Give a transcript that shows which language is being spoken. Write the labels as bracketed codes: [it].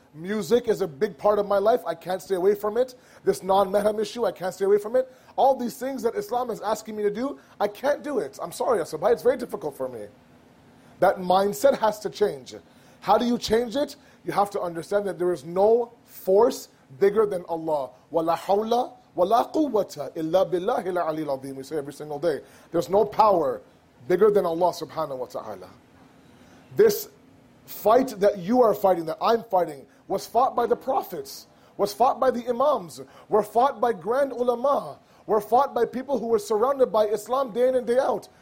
[en] Music is a big part of my life. I can't stay away from it. This non-mahram issue, I can't stay away from it. All these things that Islam is asking me to do, I can't do it. I'm sorry, Asabai, it's very difficult for me. That mindset has to change. How do you change it? You have to understand that there is no force bigger than Allah. [ar] وَلَا حَوْلَ وَلَا قُوَّةَ إِلَّا بِاللَّهِ الْعَلِيِّ الْعَظِيمِ [en] We say every single day. There's no power bigger than Allah subhanahu wa ta'ala. This fight that you are fighting, that I'm fighting, was fought by the prophets, was fought by the imams, were fought by grand ulama, were fought by people who were surrounded by Islam day in and day out.